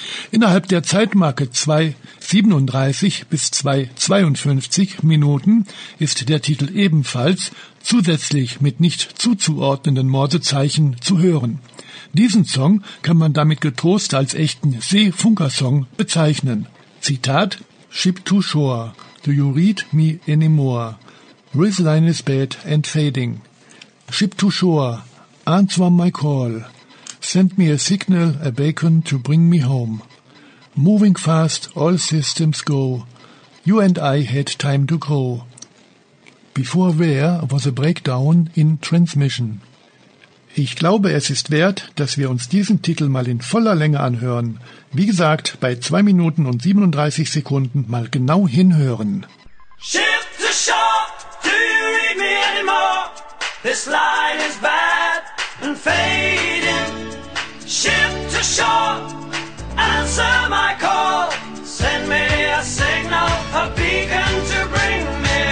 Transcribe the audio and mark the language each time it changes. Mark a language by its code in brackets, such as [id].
[de] Innerhalb der Zeitmarke 2:37 bis 2:52 Minuten ist der Titel ebenfalls zusätzlich mit nicht zuzuordnenden Morsezeichen zu hören. Diesen Song kann man damit getrost als echten Seefunkersong bezeichnen. [en] Zitat: Ship to shore, do you read me anymore? Riz line is bad and fading. Ship to shore, answer my call. Send me a signal, a beacon to bring me home. Moving fast, all systems go. You and I had time to grow. Before there was a breakdown in transmission. [de] Ich glaube, es ist wert, dass wir uns diesen Titel mal in voller Länge anhören. Wie gesagt, bei 2 Minuten und 37 Sekunden mal genau hinhören. [en] Ship to shore, do you read me anymore? This line is bad and fading. Ship to shore, answer my call. Send me a signal, a beacon to bring me.